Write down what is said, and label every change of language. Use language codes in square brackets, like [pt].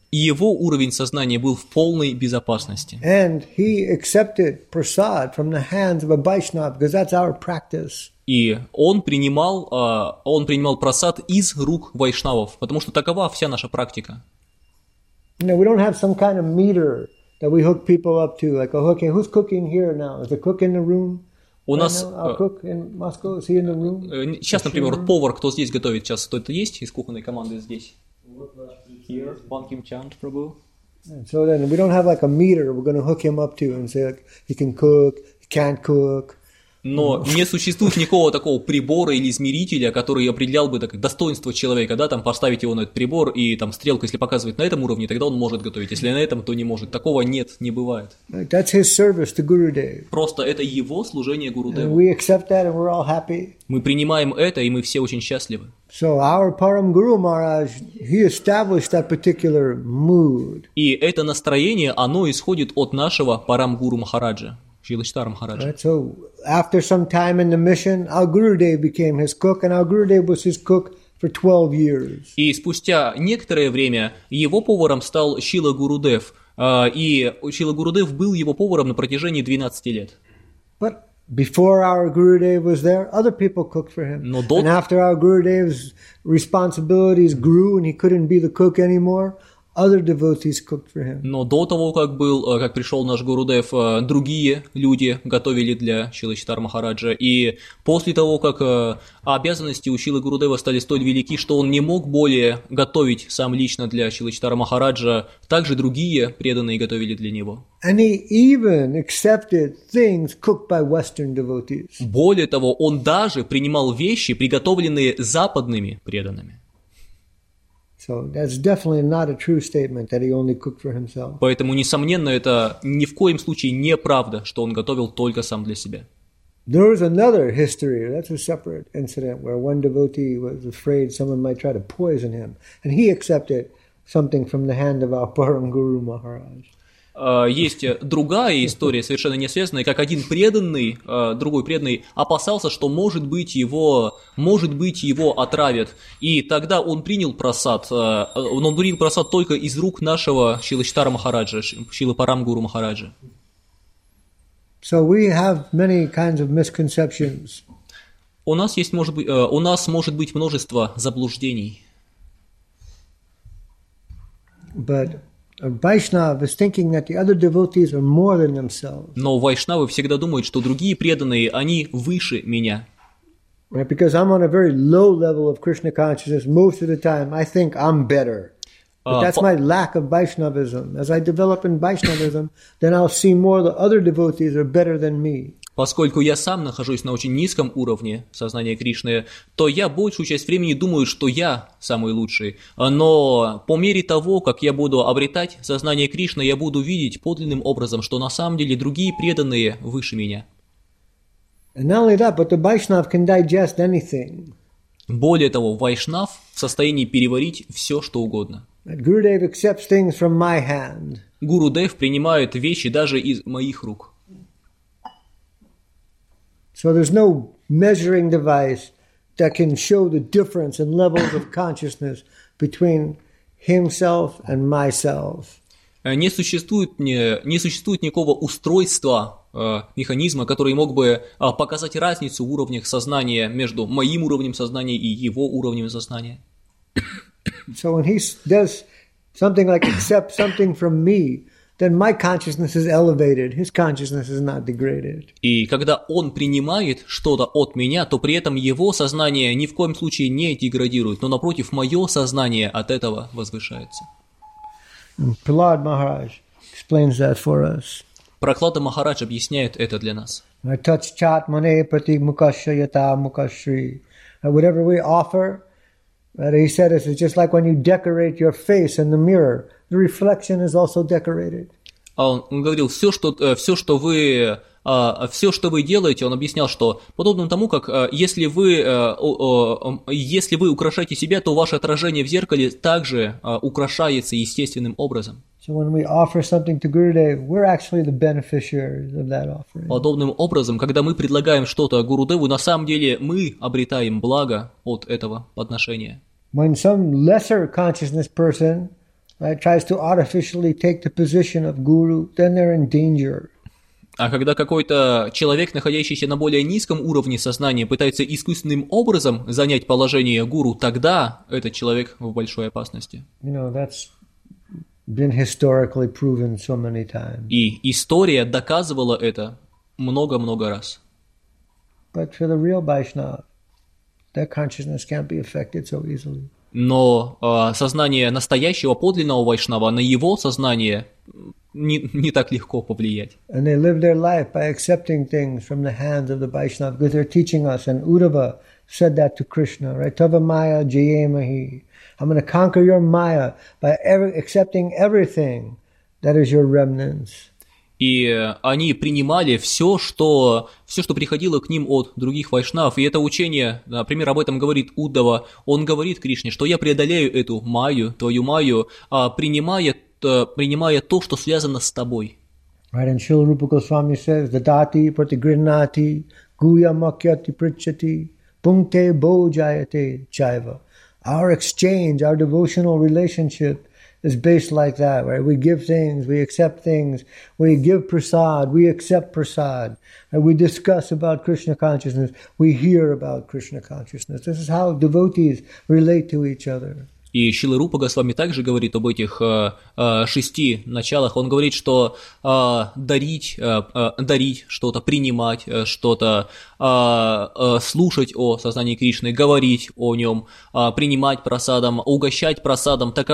[ru] Его уровень сознания был в полной безопасности. [en] And he accepted prasad from the hands of a Vaishnava because that's our practice. [ru] И он принимал прасад из рук вайшнавов, потому что такова вся наша практика. [en] No, we don't have some kind of meter that we hook people up to, like, okay, who's cooking here now? Is the cook in the room? [ru] У нас сейчас, например, повар, кто здесь готовит, сейчас кто-то есть из кухонной команды здесь? [en] Here, Pan Kim Chand, Prabhu. So then we don't have like a meter we're going to hook him up to and say like he can cook, he can't cook. [ru] Но не существует никакого такого прибора или измерителя, который определял бы так, достоинство человека, да, там поставить его на этот прибор, и там стрелка, если показывает на этом уровне, тогда он может готовить. Если на этом, то не может. Такого нет, не бывает. [en] That's his service to Gurudev. [ru] Просто это его служение Гурудеву. [en] And we accept that and we're all happy. [ru] Мы принимаем это, и мы все очень счастливы. [en] So our Param Guru Maharaj, he established that particular mood. [ru] И это настроение, оно исходит от нашего Param Guru Maharaja. [en] Right, so after some time in the mission, our Gurudev became his cook, and our Gurudev was his cook for 12 years. [ru] И спустя некоторое время его поваром стал Шрила Гурудев, и Шрила Гурудев был его поваром на протяжении 12 лет. [en] But Before our Gurudev was there, other people cooked for him. And after our Gurudev's responsibilities grew and he couldn't be the cook anymore, other devotees cooked for him. [ru] Но до того, как был, как пришел наш Гурудев, другие люди готовили для Шилы Читар Махараджа. И после того, как обязанности у Шилы Гурудева стали столь велики, что он не мог более готовить сам лично для Шилы Читар Махараджа, также другие преданные готовили для него. [en] And he even accepted things cooked by Western devotees. [ru] Более того, он даже принимал вещи, приготовленные западными преданными. [en] So that's definitely not a true statement that he only cooked for himself. [ru] Поэтому несомненно это ни в коем случае не правда, что он готовил только сам для себя. [en] There was another history, that's a separate incident where one devotee was afraid someone might try to poison him, and he accepted something from the hand of our Param Guru Maharaj. [ru] Есть другая история, совершенно не связанная, как один преданный, другой преданный, опасался, что, может быть, его отравят. И тогда он принял прасад, но он принял прасад только из рук нашего Шилы Читара Махараджа, Шилы Парам Гуру Махараджа. [en] So we have many kinds of misconceptions. [ru] У нас может быть множество заблуждений. [en] But... A Vaishnav is thinking that the other devotees are more than themselves. [ru] Но вайшнавы всегда думают, что другие преданные, они выше меня. [en] Right, because I'm on a very low level of Krishna consciousness most of the time, I think I'm better. But that's my lack of Vaishnavism. As I develop in Vaishnavism, then I'll see more the other devotees are better than me. [ru] Поскольку я сам нахожусь на очень низком уровне сознания Кришны, то я большую часть времени думаю, что я самый лучший. Но по мере того, как я буду обретать сознание Кришны, я буду видеть подлинным образом, что на самом деле другие преданные выше меня. [en] And not only that, but the Vaishnav can digest anything. [ru] Более того, вайшнав в состоянии переварить все, что угодно. [en] Gurudev accepts things from my hand. [ru] Гурудев принимает вещи даже из моих рук. [en] So there's no measuring device that can show the difference in levels of consciousness between himself and myself. [ru] Не существует никакого устройства, механизма, который мог бы показать разницу в уровнях сознания между моим уровнем сознания и его уровнем сознания. [en] So when he does something like accept something from me, then my consciousness is elevated, his consciousness is not degraded. [ru] И когда он принимает что-то от меня, то при этом его сознание ни в коем случае не деградирует, но напротив, мое сознание от этого возвышается. [en] Prahlad Maharaj explains that for us. [ru] Прохлада Махарадж объясняет это для нас. I touch chat mane prati mukasya yata mukashri. [en] Whatever we offer, but he said it's just like when you decorate your face in the mirror. The reflection is also decorated. [ru] Он говорил, все, что вы делаете, он объяснял, что подобно тому, как если вы украшаете себя, то ваше отражение в зеркале также украшается естественным образом. [en] So when we offer something to Gurudev, we're actually the beneficiaries of that offering. [ru] Подобным образом, когда мы предлагаем что-то Гурудеву, на самом деле мы обретаем благо от этого подношения. [en] When some lesser consciousness person tries to artificially take the position of guru, then they're in danger. [ru] А когда какой-то человек, находящийся на более низком уровне сознания, пытается искусственным образом занять положение гуру, тогда этот человек в большой опасности. [en] You know, that's been historically proven so many times. [ru] И история доказывала это много-много раз. [en] But for the real Vaishnav, their consciousness can't be affected so easily. [ru] Но сознание настоящего подлинного вайшнава, на его сознание не так легко повлиять. [en] And they live their life by accepting things from the hands of the Vaishnava, because they're teaching us, and Uddhava said that to Krishna, right? [sa] Tava maya jayamahi. [en] I'm going to conquer your maya by accepting everything that is your remnants. [ru] И они принимали все, что приходило к ним от других вайшнав. И это учение, например, об этом говорит Уддава. Он говорит Кришне, что я преодолею эту майю, твою майю, принимая то, что связано с тобой. [en] Right, and Srila Rupa Goswami says, [sa] Dadati pratigrinati guyamakyati pritchati pungte bojayate chaiva. [en] Our exchange, our devotional relationship is based like that, right? We give things, we accept things, we give prasad, we accept prasad, and we discuss about Krishna consciousness, we hear about Krishna consciousness. This is how devotees relate to each other. [ru] И Шрила Рупа Госвами также говорит об этих шести началах. Он говорит, что дарить что-то, принимать что-то, слушать о сознании Кришны, говорить о нем, принимать просадом, угощать просадом.